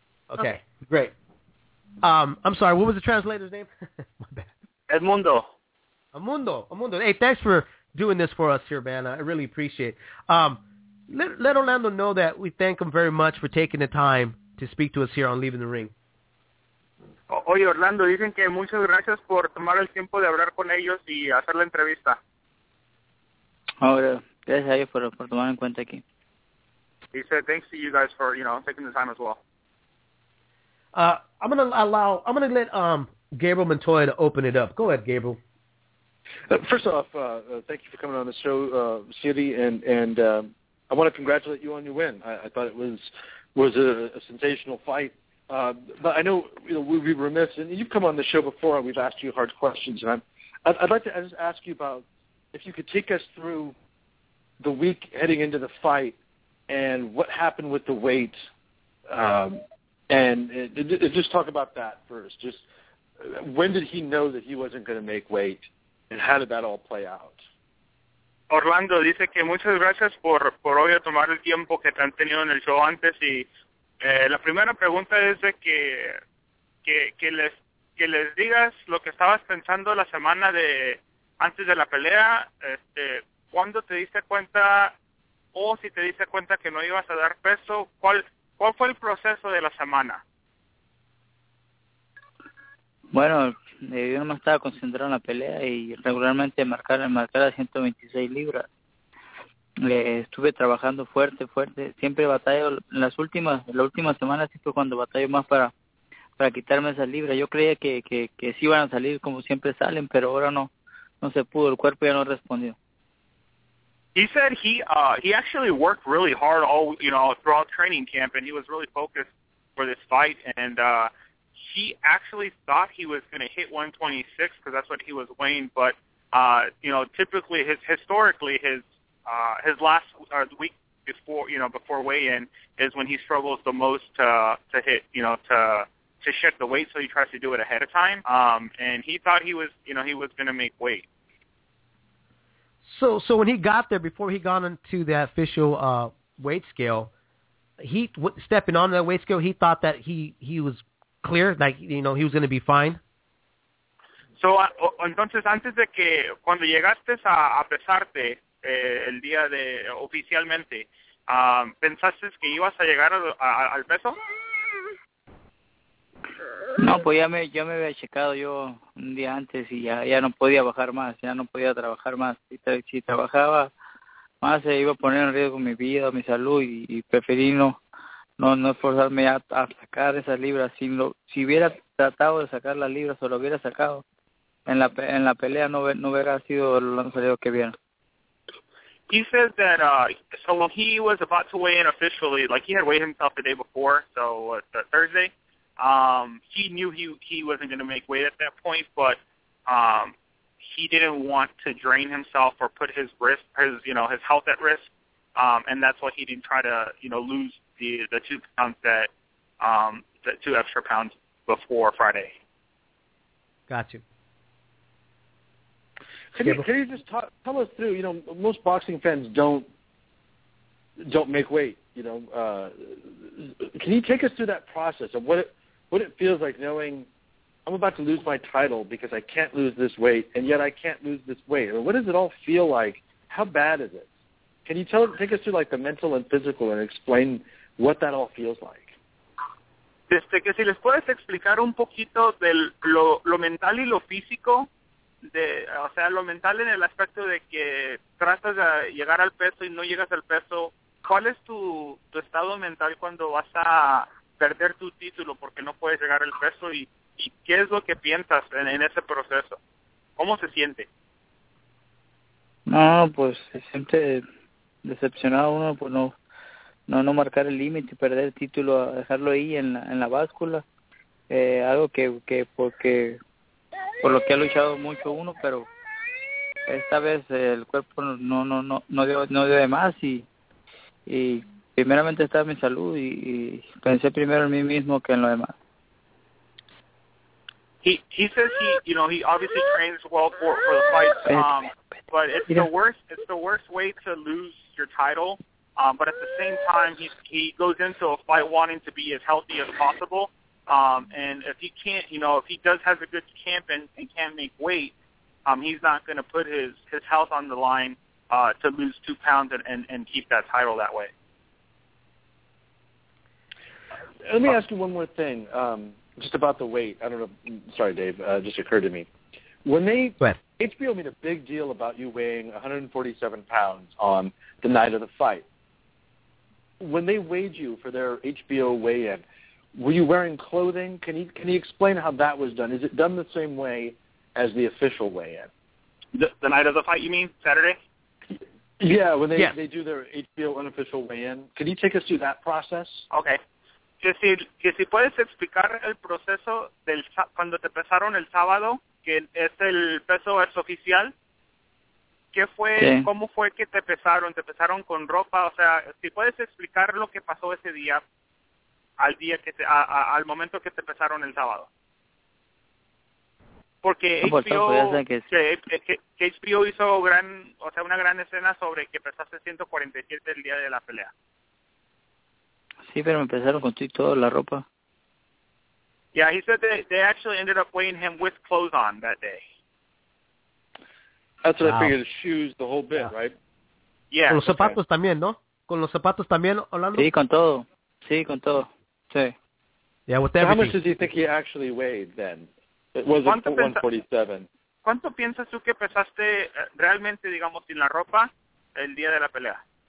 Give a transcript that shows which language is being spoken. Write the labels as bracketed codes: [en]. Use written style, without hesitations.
[en] Okay, okay. Great. I'm sorry, what was the translator's name? My bad. Edmundo. Edmundo. Hey, thanks for doing this for us here, man. I really appreciate it. Let Orlando know that we thank him very much for taking the time to speak to us here on Leaving the Ring. [es] Oye, Orlando, dicen que muchas gracias por tomar el tiempo de hablar con ellos y hacer la entrevista. Oh, gracias a ellos por tomar en cuenta aquí. [en] He said thanks to you guys for, you know, taking the time as well. I'm gonna let Gabriel Montoya to open it up. Go ahead, Gabriel. First off, thank you for coming on the show, Siri, and I want to congratulate you on your win. I thought it was a sensational fight. But I know, you know, we'd be remiss, and you've come on the show before, and we've asked you hard questions, and I'd like to just ask you about if you could take us through the week heading into the fight and what happened with the weight. And just talk about that first. Just when did he know that he wasn't going to make weight, and how did that all play out? [es] Orlando dice que muchas gracias por hoy tomar el tiempo que te han tenido en el show antes. Y la primera pregunta es de que les digas lo que estabas pensando la semana de antes de la pelea. ¿Cuándo te diste cuenta o si te diste cuenta que no ibas a dar peso? ¿Cuál fue el proceso de la semana? Bueno, yo no me estaba concentrado en la pelea y regularmente marcar a 126 libras. Estuve trabajando fuerte. Siempre batallo en la última semana, siempre cuando batallo más para quitarme esas libras. Yo creía que sí iban a salir como siempre salen, pero ahora no se pudo. El cuerpo ya no respondió. [en] He said he actually worked really hard all, you know, throughout training camp, and he was really focused for this fight. And he actually thought he was going to hit 126 because that's what he was weighing. But you know, typically historically his last week before, you know, before weigh-in is when he struggles the most to hit, you know, to shed the weight. So he tries to do it ahead of time. And he thought he was, you know, he was going to make weight. So when he got there, before he got into that official weight scale, stepping on that weight scale, he thought that he was clear, like, you know, he was going to be fine. [es] So entonces antes de que cuando llegaste a pesarte el día de oficialmente, ¿pensaste que ibas a llegar al peso? No, pues ya me había checado yo un día antes y ya no podía bajar más, ya no podía trabajar más. Si trabajaba más, se iba a poner en riesgo mi vida, mi salud, y preferí no esforzarme a sacar esas libras. Si hubiera tratado de sacar las libras o lo hubiera sacado en la pelea, no hubiera sido lo salido que bien. [en] He says that when he was about to weigh in officially, like, he had weighed himself the day before, so Thursday. He knew he wasn't going to make weight at that point, but he didn't want to drain himself or put his health at risk, and that's why he didn't try to, you know, lose the 2 pounds that the 2 extra pounds before Friday. Got you. Can you just tell us through? You know, most boxing fans don't make weight. You know, can you take us through that process of what it feels like knowing I'm about to lose my title because I can't lose this weight, and yet I can't lose this weight? Or what does it all feel like? How bad is it? Can you take us through, like, the mental and physical and explain what that all feels like? [es] Que si les puedes explicar un poquito de lo mental y lo físico, o sea, lo mental en el aspecto de que tratas de llegar al peso y no llegas al peso, ¿cuál es tu estado mental cuando vas a perder tu título porque no puedes llegar al peso y qué es lo que piensas en ese proceso? ¿Cómo se siente? No, pues se siente decepcionado uno por no marcar el límite, perder el título, dejarlo ahí en la báscula. Algo por lo que ha luchado mucho uno, pero esta vez el cuerpo no dio de más y primeramente está mi salud y pensé primero en mí mismo que en lo demás. [en] He says he obviously trains well for the fights. but it's the worst. It's the worst way to lose your title. But at the same time, he goes into a fight wanting to be as healthy as possible. And if he can't, you know, if he does have a good camp and can't make weight, he's not going to put his health on the line to lose 2 pounds and keep that title that way. Let me ask you one more thing, just about the weight. I don't know. Sorry, Dave. Just occurred to me. When they HBO made a big deal about you weighing 147 pounds on the night of the fight. When they weighed you for their HBO weigh-in, were you wearing clothing? Can you explain how that was done? Is it done the same way as the official weigh-in? The night of the fight, you mean, Saturday? Yeah, when they do their HBO unofficial weigh-in. Can you take us through that process? Okay. [es] Que si puedes explicar el proceso del cuando te pesaron el sábado, que es el peso es oficial. ¿Qué fue, cómo fue que te pesaron? ¿Te pesaron con ropa? O sea, si puedes explicar lo que pasó ese día, al día que te, al momento que te pesaron el sábado. Porque HBO hizo gran, o sea, una gran escena sobre que pesaste 147 el día de la pelea. Sí, pero me pesaron con toda la ropa. [en] Yeah, he said they actually ended up weighing him with clothes on that day. That's what I figured, shoes, the whole bit, right? Yeah. [es] Con los zapatos también, ¿no? Con los zapatos también, Orlando? Sí, con todo. Sí, con todo. Sí. [en] Yeah, with everything. How much did you think he actually weighed then? It was 147. [es] ¿Cuánto piensas tú que pesaste realmente, digamos, sin la ropa el día de la pelea?